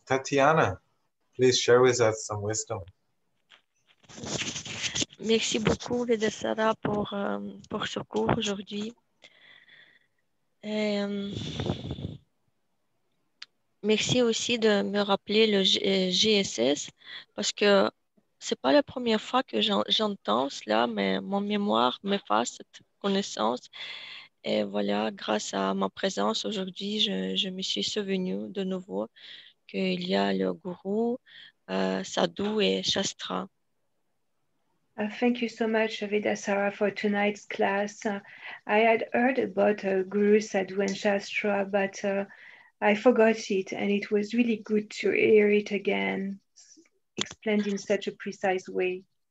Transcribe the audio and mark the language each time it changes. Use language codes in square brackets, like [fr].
[en] Tatiana, please share with us some wisdom. [fr] Merci beaucoup, Vedasara, pour ce cours aujourd'hui. Merci aussi de me rappeler le GSS, parce que ce n'est pas la première fois que j'entends cela, mais mon mémoire m'efface cette connaissance. Et voilà, grâce à ma présence aujourd'hui, je me suis souvenue de nouveau qu'il y a le gourou, Sadhu et Shastra. [en] Thank you so much, Vedasara, for tonight's class. I had heard about Guru, Sadhu and Shastra, but I forgot it, and it was really good to hear it again, explained in such a precise way.